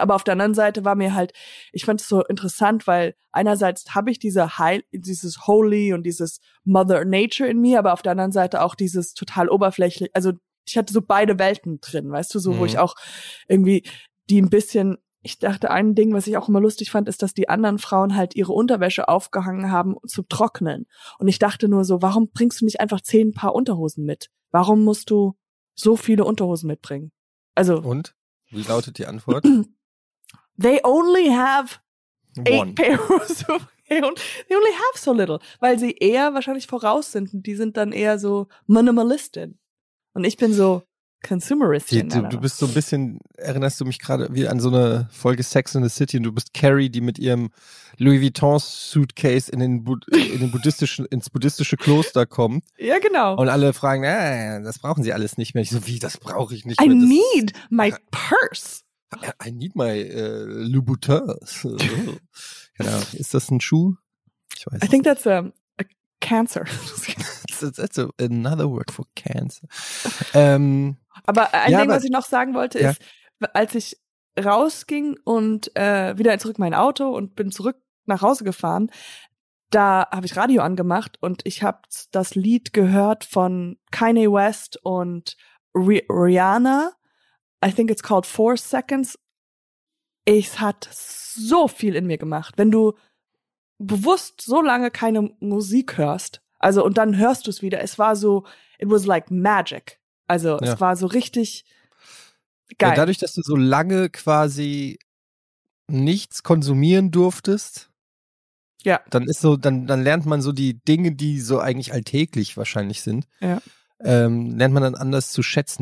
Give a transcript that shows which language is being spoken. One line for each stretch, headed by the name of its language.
German: Aber auf der anderen Seite war mir halt, ich fand es so interessant, weil einerseits habe ich dieses Holy und dieses Mother Nature in mir, aber auf der anderen Seite auch dieses total oberflächliche, also ich hatte so beide Welten drin, weißt du, so, wo ich auch irgendwie die ein bisschen, ich dachte, ein Ding, was ich auch immer lustig fand, ist, dass die anderen Frauen halt ihre Unterwäsche aufgehangen haben zum Trocknen. Und ich dachte nur so, warum bringst du nicht einfach 10 Paar Unterhosen mit? Warum musst du so viele Unterhosen mitbringen? Also. Und? Wie lautet die Antwort?
English: They only have 8 pairs of, they only have so little.
German: Weil sie eher wahrscheinlich voraus sind, und die sind dann eher so Minimalistin. Und ich bin so Consumeristin. Du bist so ein bisschen, erinnerst du mich gerade wie an so eine Folge Sex in the City, und du bist Carrie, die mit ihrem Louis Vuitton Suitcase ins buddhistische Kloster kommt. Ja, genau. Und alle fragen, das brauchen sie alles nicht mehr. Ich so, wie, das brauche ich nicht mehr.
English: I need my purse. I need my Louboutins.
German: Genau. Ist das ein Schuh? Ich weiß nicht.
English: I think that's a cancer. That's another word for cancer.
German: Aber ein Ding, was ich noch sagen wollte, ist, als ich rausging und wieder zurück in mein Auto und bin zurück nach Hause gefahren, da habe ich Radio angemacht und ich habe das Lied gehört von Kanye West und Rihanna.
English: I think it's called 4 Seconds.
German: Es hat so viel in mir gemacht. Wenn du bewusst so lange keine Musik hörst, also, und dann hörst du es wieder. Es war so,
English: it was like magic.
German: Also, es war so richtig geil. Ja, dadurch, dass du so lange quasi nichts konsumieren durftest, dann ist so, dann lernt man so die Dinge, die so eigentlich alltäglich wahrscheinlich sind, lernt man dann anders zu schätzen.